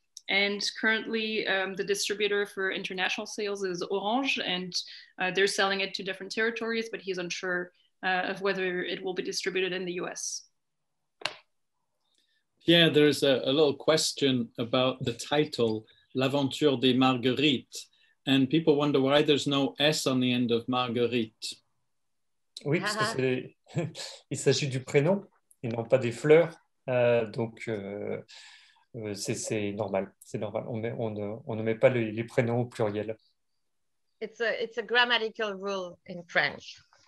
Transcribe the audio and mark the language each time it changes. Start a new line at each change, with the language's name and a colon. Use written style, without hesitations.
English: And currently, the distributor for international sales is Orange, and they're selling it to different territories, but he's unsure of whether it will be distributed in the US. Yeah, there's a little question about the title, L'Aventure des Marguerites, and people wonder why there's no S on the end of Marguerite.
French: Oui, parce que c'est... il s'agit du prénom, et non pas des fleurs, donc... C'est normal. On ne met pas les prénoms au pluriel.
English: It's a grammatical rule in French.